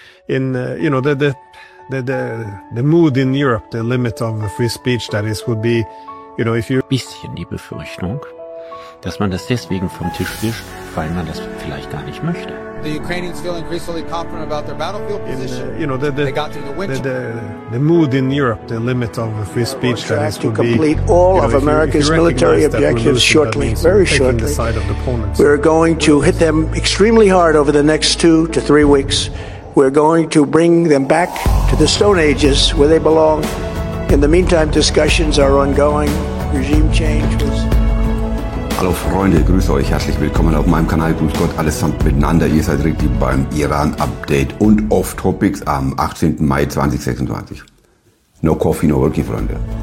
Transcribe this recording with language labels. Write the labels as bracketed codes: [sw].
[en] in you know, the mood in Europe, the limit of free speech, that is, would be, you know, if you... [de] Bisschen die Befürchtung, dass man das deswegen vom Tisch wischt, weil man das vielleicht gar nicht möchte. [en] The Ukrainians feel increasingly confident about their battlefield position. You know, they got through the winter. The mood in Europe, the limit of free speech, that is, would be... To complete all of America's military objectives shortly, very shortly, the side of opponents. We're going to hit them extremely hard over the next 2 to 3 weeks. We're going to bring them back to the Stone Ages, where they belong. In the meantime, discussions are ongoing. Regime changes. [de] Hallo Freunde, grüße euch herzlich willkommen auf meinem Kanal. Grüß Gott allesamt miteinander. Ihr seid richtig beim Iran-Update und Off-Topics am 18. Mai 2026. [en] No coffee, no working, [de] Freunde.